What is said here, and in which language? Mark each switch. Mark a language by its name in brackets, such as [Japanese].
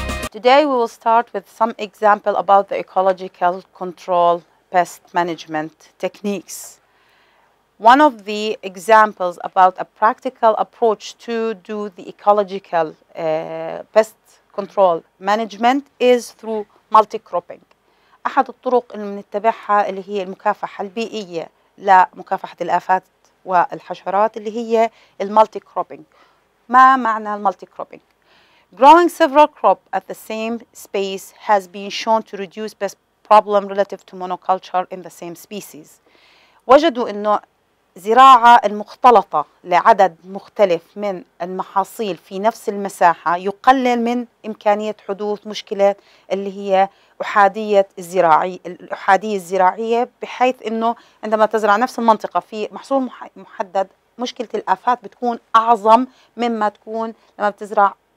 [English] Today we will start with some example about the ecological control pest management techniques. One of the examples about a practical approach to do the ecological pest control management is through multi-cropping. [Arabic] أحد الطرق اللي بنتبعها اللي هي المكافحة البيئية لمكافحة الآفات والحشرات اللي هي المالتي-كروبينج. ما معنى المالتي-كروبينج؟ [English] Growing several crops at the same space has been shown to reduce pest problem relative to monoculture in the same species. [Arabic] وجدوا إنه زراعة المختلطة لعدد مختلف من المحاصيل في نفس المساحة يقلل من إمكانية حدوث مشكلة اللي هي أحادية الزراعي الأحادية الزراعية بحيث إنه عندما تزرع نفس المنطقة في محصول محدد مشكلة الآفات بتكون أعظم مما تكون لما بتزرع